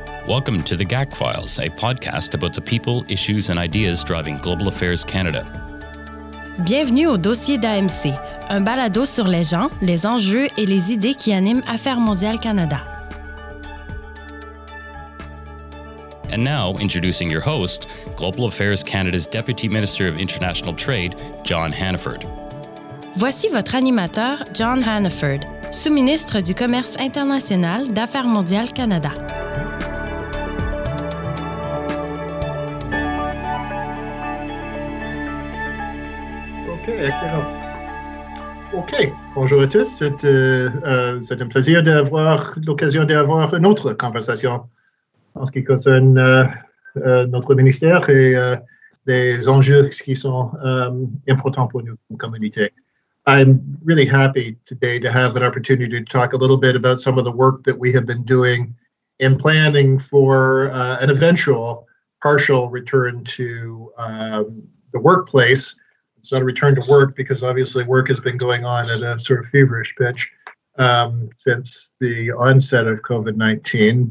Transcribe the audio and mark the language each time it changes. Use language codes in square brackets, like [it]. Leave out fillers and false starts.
[en] Welcome to The GAC Files, a podcast about the people, issues and ideas driving Global Affairs Canada. [fr] Bienvenue au dossier d'AMC, un balado sur les gens, les enjeux et les idées qui animent Affaires mondiales Canada. [en] And now, introducing your host, Global Affairs Canada's Deputy Minister of International Trade, John Hannaford. [fr] Voici votre animateur, John Hannaford, sous-ministre du Commerce international d'Affaires mondiales Canada. Excellent. OK. Bonjour à tous. C'est un plaisir d'avoir l'occasion d'avoir une autre conversation en ce qui concerne notre ministère et les enjeux qui sont importants pour nous comme communauté. [en] I'm really happy today to have an opportunity to talk a little bit about some of the work that we have been doing in planning for an eventual partial return to the workplace. It's not a return to work because obviously work has been going on at a sort of feverish pitch since the onset of COVID-19.